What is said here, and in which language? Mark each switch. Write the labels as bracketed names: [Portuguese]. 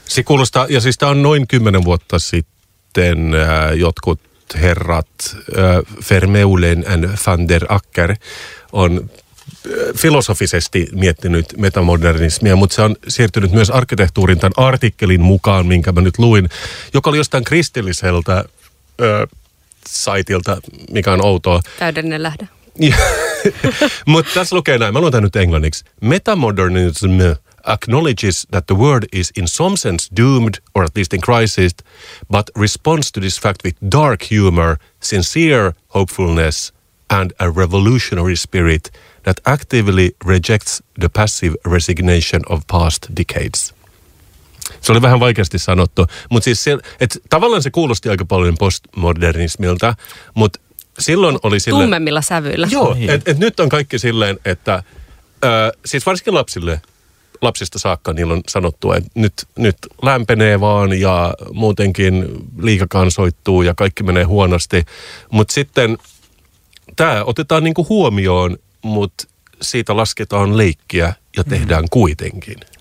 [Finnish] Se kuulostaa, ja siis tämä on noin 10 vuotta sitten jotkut herrat, Vermeulen and van der Acker, on filosofisesti miettinyt metamodernismia, mutta se on siirtynyt myös arkkitehtuurin tämän artikkelin mukaan, minkä mä nyt luin, joka oli jostain kristilliseltä saitilta, mikä on outoa. Täydellinen lähde. Mutta tässä lukee näin, mä luon tämän nyt englanniksi. [English] Metamodernism acknowledges that the world is in some sense doomed, or at least in crisis, but responds to this fact with dark humor, sincere hopefulness, and a revolutionary spirit that actively rejects the passive resignation of past decades. [Finnish] Se oli vähän vaikeasti sanottu, mutta siis tavallaan se kuulosti aika paljon postmodernismilta, mutta silloin oli silleen tummemmilla sävyillä. Joo, et nyt on kaikki silleen, että siis varsinkin lapsista saakka niillä on sanottu, että nyt lämpenee vaan ja muutenkin liikakansoittuu ja kaikki menee huonosti, mutta sitten tämä otetaan niinku huomioon, mutta siitä lasketaan leikkiä ja tehdään kuitenkin.